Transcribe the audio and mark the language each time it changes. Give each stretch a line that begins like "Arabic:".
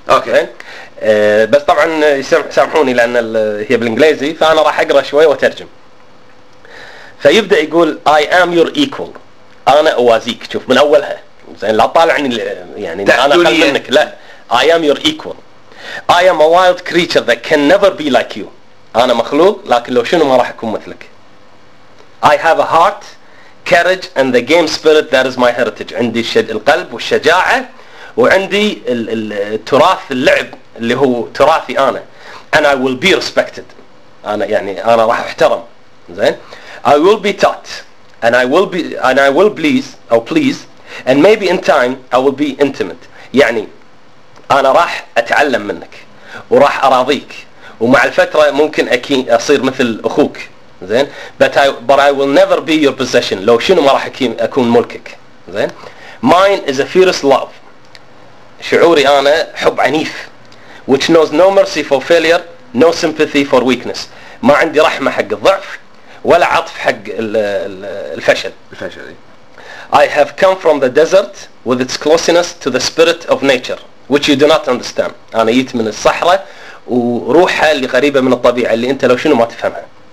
Arabic: اوكي بس طبعا سامحوني لان هي بالانجليزي, فانا راح اقرا شوي وترجم. فيبدا يقول
English: I am your equal,
Arabic: انا اوازيك. شوف من اولها زين, لا طالعني يعني انا اقل منك, لا
English: I am your equal. I am a wild creature that can never be like you,
Arabic: انا مخلوق لكن لو شنو ما راح اكون مثلك.
English: I have a heart, courage and the game spirit that is my heritage.
Arabic: عندي الشد القلب والشجاعة, وعندي التراث اللعب اللي هو تراثي أنا.
English: And I will be respected,
Arabic: أنا يعني أنا راح أحترم.
English: زين, I will be taught and I will be and I will please or please and maybe in time I will be intimate.
Arabic: يعني أنا راح أتعلم منك وراح أراضيك, ومع الفترة ممكن أكين أصير مثل أخوك.
English: زين, but I will never be your possession,
Arabic: لو شنو ما راح اكون ملكك.
English: زين, mine is a fierce love,
Arabic: شعوري انا حب عنيف,
English: which knows no mercy for failure, no sympathy for weakness,
Arabic: ما عندي رحمه حق الضعف ولا عطف حق الفشل. الفشل
English: I have come from the desert with its closeness to the spirit of nature which you do not understand.
Arabic: انا جيت من الصحراء وروحها اللي غريبه من الطبيعه اللي انت لو شنو ما تفهمها.